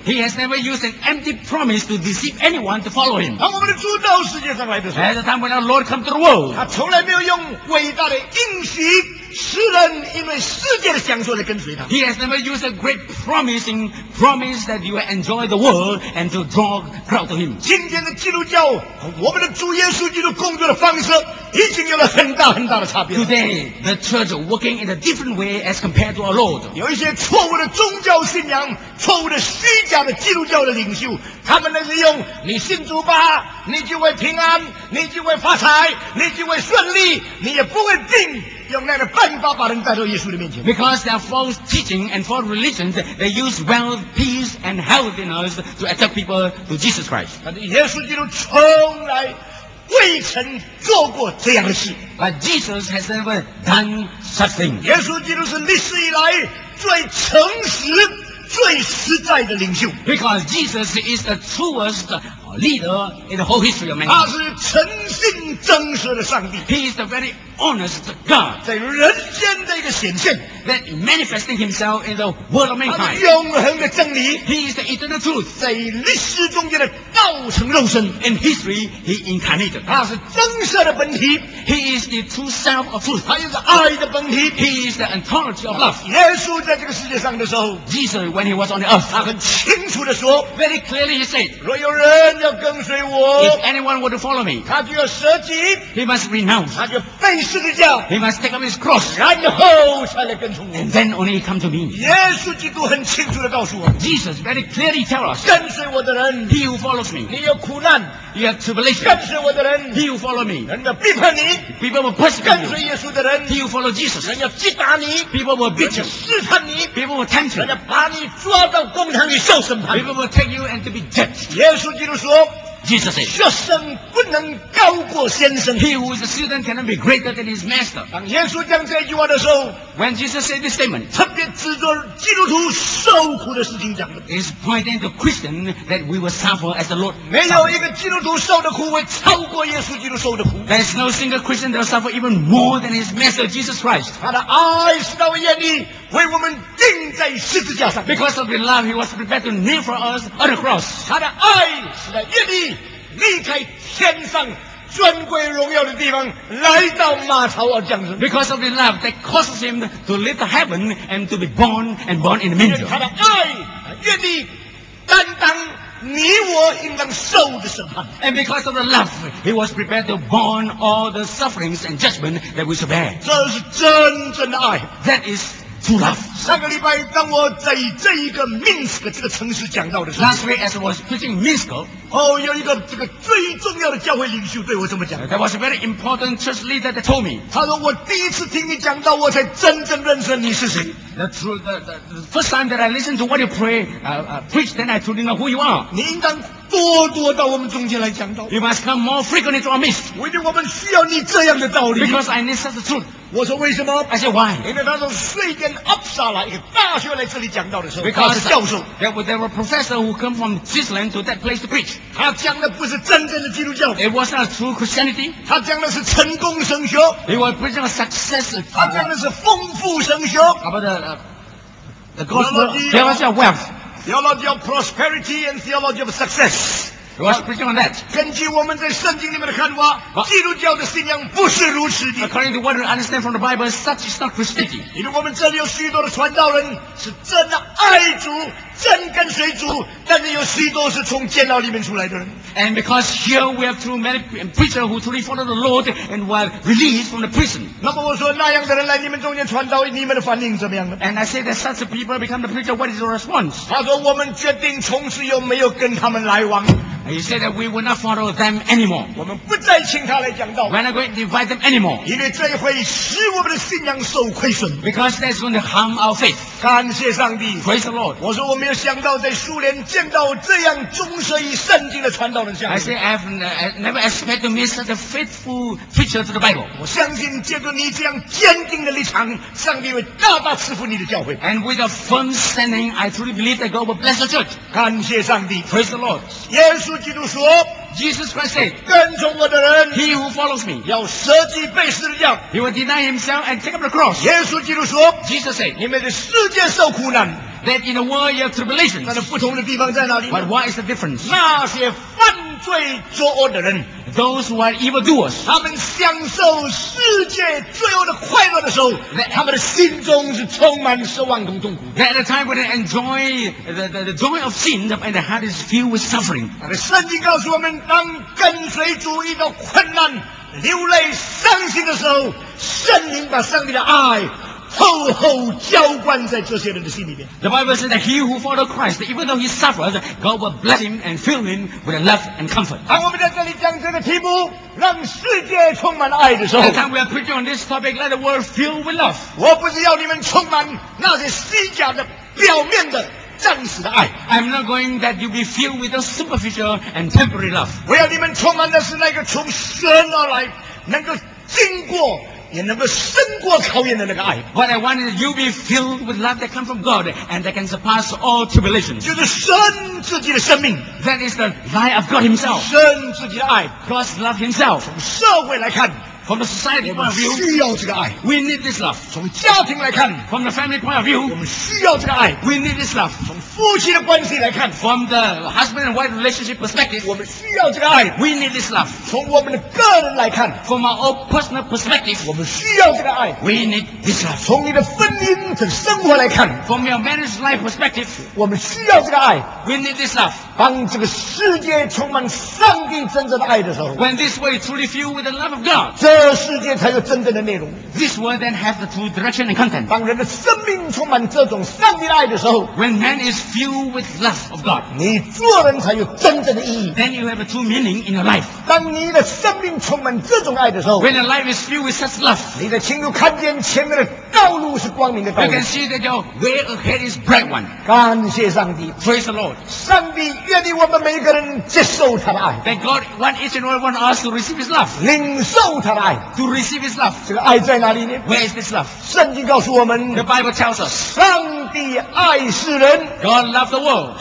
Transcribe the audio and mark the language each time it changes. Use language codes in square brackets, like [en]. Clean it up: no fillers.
[en] He has never used an empty promise to deceive anyone to follow him。 [zh] 当我们的主到世界上来的时候 [en] ，At the time when our Lord come to the world， [zh] 他从来没有用伟大的应许。世人因为世界的享受来跟随他。 [en] He has never used a great promising promise that you will enjoy the world and to draw crowd to him. [zh] 今天的基督教和我们的主耶稣基督工作的方式已经有了很大很大的差别。 [en] Today the church is working in a different way as compared to our Lord. [zh] 有一些错误的宗教信仰、错误的虚假的基督教的领袖，他们那是用你信主吧，你就会平安，你就会发财，你就会顺利，你也不会病。用那个办法把人带到耶稣的面前。 [en] Because there are false teaching and false religions, they use wealth, peace, and healthiness to attack people to Jesus Christ. [zh] 但是耶稣基督从来未曾做过这样的事。 [en] But Jesus has never done such thing. [zh] 耶稣基督是历史以来最诚实、最实在的领袖。 [en] Because Jesus is the truest. Leader in the whole history of man. [zh] 他是诚信真实的上帝。 [en] He is the very honest God. [zh] 在人间的一个显现。 [en] That manifesting himself in the world of mankind. [zh] 他是永恒的真理。 [en] He is the eternal truth. [zh] 在历史中间的道成肉身。 [en] In history, he incarnated. [zh] 他是真实的本体。 [en] He is the true self of truth. [zh] 他又是爱的本体。 [en] He is the ontology of love. [zh] 耶稣在这个世界上的时候 [en] ，Jesus when he was on the earth, [zh] 他很清楚地说 [en] ，Very clearly he said, [zh] 若有人要跟随我 [en] ，If anyone were to follow me, [zh] 他就要舍己 [en] ，He must renounce, [zh] 他就背十字架 [en] ，He must take up his cross, [zh] 然后才来跟从我 [en] ，And then only come to me. [zh] 耶稣基督很清楚地告诉我 [en] ，Jesus very clearly tell us, [zh] 跟随我的人 [en] ，He who follows me, [zh] 你有苦难。 [en] You have tribulation. [zh] 跟随我的人 [en] ，He who follow me， [zh] 人家逼迫你 [en] ；People will persecute you. [zh] 跟随耶稣的人 [en] ，He who follow Jesus， [zh] 人家击打你 [en] ；People will beat you， [zh] 试探你 [en] ；People will tempt you， [zh] 人家把你抓到公堂里受审判 [en] ；People will take you and to be judged. [zh] 耶稣基督说。 [en] Jesus said, [zh] 学生不能高过先生。 [en] He who is a student cannot be greater than his master. [zh] 当耶稣讲这句话的时候 [en] ，When Jesus said this statement, [zh] 特别指着基督徒受苦的事情讲的。 [en] Is pointing to Christian that we will suffer as the Lord. [zh] 没有一个基督徒受的苦会超过耶稣基督受的苦。 [en] There is no single Christian that will suffer even more than his master Jesus Christ. [zh] 他的爱是到眼里。为我们钉在十字架上 [en] ，Because of the love he was prepared to kneel for us on the cross， [zh] 他的爱使他愿意离开天上尊贵荣耀的地方，来到马槽而降生 [en] ，Because of the love that causes him to leave the heaven and to be born and born in the manger， [zh] 他的爱愿意担当。你我应当受的审判 [en] ，and because of the love, he was prepared to bear all the sufferings and judgment that we should bear. [zh] 这是真正的爱 [en] ，that is true love. [zh] 上个礼拜当我在这一个 Minsk 这个城市讲到的时候 [en] ，last week as I was preaching Minsk, [zh] 哦，有一个这个最重要的教会领袖对我这么讲 [en] ，there was a very important church leader that told me. [zh] 他说我第一次听你讲到，我才真正认识你是谁。 [en] The first time that I listened to what you pray, preach, then I truly know who you are. [zh] 你应当多多到我们中间来讲道。 [en] You must come more frequently to our midst. [zh] 为了我们需要你这样的道理。 [en] Because I need such a truth. [zh] 我说为什么 [en] ？I said why? [zh] 因为他从瑞典阿普萨拉一个大学来这里讲道的时候，他是教授。 [en] There were professors who come from Switzerland to that place to preach. [zh] 他讲的不是真正的基督教。 [en] It was not true Christianity. [zh] 他讲的是成功神学。 [en] He was preaching a success. [zh] 他讲的是丰富神学。 [en] How about that? The gospel, theology of wealth, theology of prosperity, and theology of success. He was preaching on that. [zh] 根据我们在圣经里面的看法，基督教的信仰不是如此的。 [en] According to what we understand from the Bible, such is not Christianity. [zh] 因为我们这里有许多的传道人是真的爱主，真跟随主，但是有许多是从监牢里面出来的。 [en] And because here we have too many prisoners who truly follow the Lord and were released from the prison. [zh] 那么我说那样的人来你们中间传道，你们的反应怎么样呢 [en] ？And I say that such people become the preacher. What is your response? [zh] 他说我们决定从此又没有跟他们来往。 [en] He said that we will not follow them anymore. [zh] 我们不再请他来讲道。 [en] We're not going to invite them anymore. [zh] 因为这会使我们的信仰受亏损。 [en] Because that's going to harm our faith. [zh] 感谢上帝。 [en] Praise the Lord. [zh] 我说我没有想到在苏联见到这样忠诚于圣经的传道人像。 [en] I say I've never expected to meet such a faithful preacher to the Bible. [zh] 我相信借着你这样坚定的立场，上帝会大大赐福你的教会。 [en] And with a firm standing, I truly believe that God will bless the church. [zh] 感谢上帝。 [en] Praise the Lord. [zh] 耶稣基督说 [en] Jesus Christ said, [zh] 跟从我的人 [en] He who follows me [zh] 要舍己背十字架 [en] He will deny himself and take up the cross [zh] 耶稣基督说 [en] Jesus said, [zh] 你们在世界受苦难 [en] That in the world you have tribulations [zh] 那不同的地方在哪里 [en] But what is the difference? [zh] 那些犯罪作恶的人 [en] Those who are evildoers [zh] 他们享受世界罪恶的快乐的时候 that, 他们的心中是充满失望跟痛苦 [en] That at the time when they enjoy the joy of sin and the heart is filled with suffering [zh] 那圣经告诉我们当跟随主遇到困难流泪伤心的时候圣灵把上帝的爱厚厚浇灌在这些人的心里面 [en] The Bible says that he who followed Christ even though he suffered God will bless him and fill him with love and comfort [zh] 当我们在这里讲这个题目让世界充满爱的时候 [en] At the time we are preaching on this topic let the world fill with love [zh] 我不是要你们充满那些虚假的表面的暂时的爱 [en] I'm not going that you be filled with a superficial and temporary love [zh] 我要你们充满的是那个从神而来能够经过也能够胜过考验的那个爱 [en] What I want is you be filled with love that come from God and that can surpass all tribulations [zh] 就是神自己的生命 [en] That is the life of God himself [zh] 神自己的爱 [en] God's love himself [zh] 从社会来看 [en] From the society point of view, [zh] 我们需要这个爱。 [en] We need this love. [zh] 从家庭来看 [en] ，From the family point of view, [zh] 我们需要这个爱。 [en] We need this love. [zh] 从夫妻的关系来看 [en] ，From the husband and wife relationship perspective, [zh] 我们需要这个爱。 [en] We need this love. [zh] 从我们的个人来看 [en] ，From our own personal perspective, [zh] 我们需要这个爱。 [en] We need this love. [zh] 从你的婚姻和生活来看 [en] ，From your marriage life perspective, [zh] 我们需要这个爱。 [en] We need this love. [zh] 当这个世界充满上帝真正的爱的时候 [en] ，When this world is truly filled with the love of God, [zh] 这世界才有真正的内容。 [en] This world then has the true direction and content. [zh] 当人的生命充满这种上帝的爱的时候 [en] ，When man is filled with love of God， [zh] 你做人才有真正的意义。 [en] Then you have a true meaning in your life. [zh] 当你的生命充满这种爱的时候 [en] ，When your life is filled with such love， [zh] 你的心就看见前面的道路是光明的道路。 [en] You can see that your way ahead is bright one. [zh] 感谢上帝 [en] ，Praise the Lord。 [zh] 上帝愿意我们每一个人接受他的爱。 [en] Thank God, one each and every one of us to receive His love， [zh] 领受他的爱。 [en] To receive His love, [zh] 这个爱在哪里呢 [en] ？Where is this love? [zh] 圣经告诉我们 [en] ，The Bible tells us, [zh] 上帝爱世人 [en] ，God loved the world,